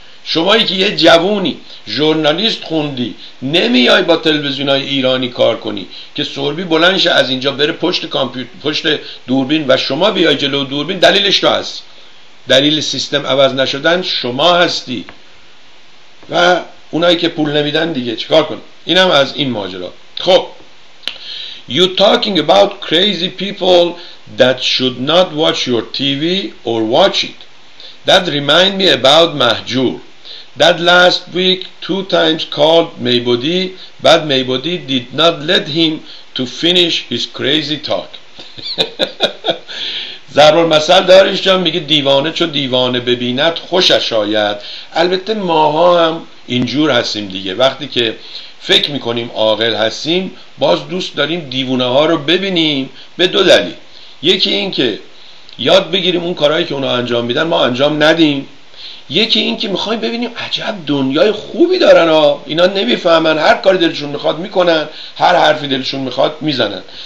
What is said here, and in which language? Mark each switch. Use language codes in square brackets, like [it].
[fa] شمایی که یه جوونی ژورنالیست خوندی نمیای با تلویزیونای ایرانی کار کنی که سربی بلندشه از اینجا بره پشت کامپیوتر، پشت دوربین، و شما بیای جلو دوربین، دلیلش تو هست. دلیل سیستم عوض نشدن شما هستی و اونایی که پول نمیدن دیگه چیکار کن. اینم از این ماجرا. [en] خب You talking about crazy people that should not watch your TV or watch it. That remind me about Mahjur. That last week two times called Maybody, but Maybody did not let him to finish his crazy talk. [fa] ضرب المثل داریش جان، میگه دیوانه چو دیوانه ببیند خوشش آید. البته ماها هم اینجور هستیم دیگه، وقتی که فکر میکنیم عاقل هستیم باز دوست داریم دیوانه ها رو ببینیم، به دو دلیل. یکی این که یاد بگیریم اون کارهایی که اونا انجام میدن ما انجام ندیم، یکی این که میخوایم ببینیم عجب دنیای خوبی دارن ها، اینا نمیفهمن، هر کاری دلشون میخواد میکنن، هر حرفی دلشون میخواد میزنن.